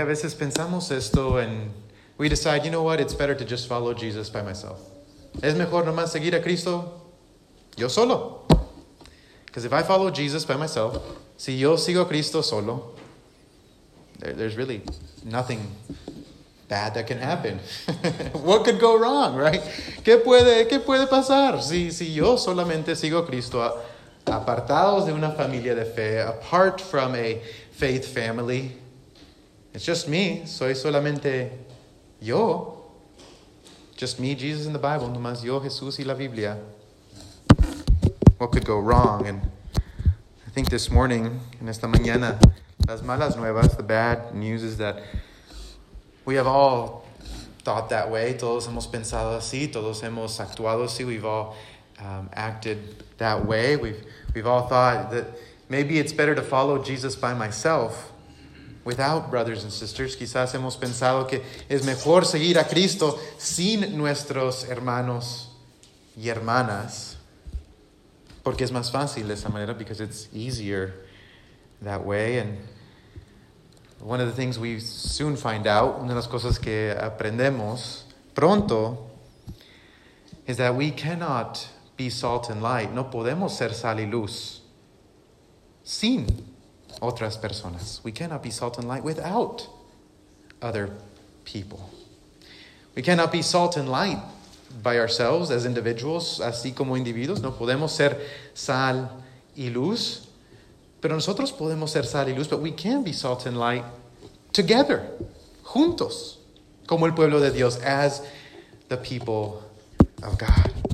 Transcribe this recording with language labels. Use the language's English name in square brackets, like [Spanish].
[Spanish] A veces pensamos esto [English] and we decide, you know what, it's better to just follow Jesus by myself. [Spanish] Es mejor nomás seguir a Cristo yo solo. [English] Because if I follow Jesus by myself, [Spanish] si yo sigo a Cristo solo, [English] there's really nothing bad that can happen. What could go wrong, right? [Spanish] ¿Qué puede pasar? Si yo solamente sigo a Cristo, apartados de una familia de fe, [English] apart from a faith family, it's just me, [Spanish] soy solamente yo. [English] Just me, Jesus, and the Bible, [Spanish] nomás yo, Jesús, y la Biblia. [English] What could go wrong? And I think this morning, [Spanish] en esta mañana, las malas nuevas, [English] the bad news is that we have all thought that way. [Spanish] Todos hemos pensado así. Todos hemos actuado así. [English] We've all acted that way. We've all thought that maybe it's better to follow Jesus by myself without brothers and sisters. [Spanish] Quizás hemos pensado que es mejor seguir a Cristo sin nuestros hermanos y hermanas. Porque es más fácil de esa manera, [English] because it's easier that way. And one of the things we soon find out, [Spanish] una de las cosas que aprendemos pronto, [English] is that we cannot be salt and light. [Spanish] No podemos ser sal y luz sin otras personas. [English] We cannot be salt and light without other people. We cannot be salt and light by ourselves, as individuals, [Spanish] así como individuos. No podemos ser sal y luz, pero nosotros podemos ser sal y luz, [English] but we can be salt and light together, [Spanish] juntos, como el pueblo de Dios, [English] as the people of God.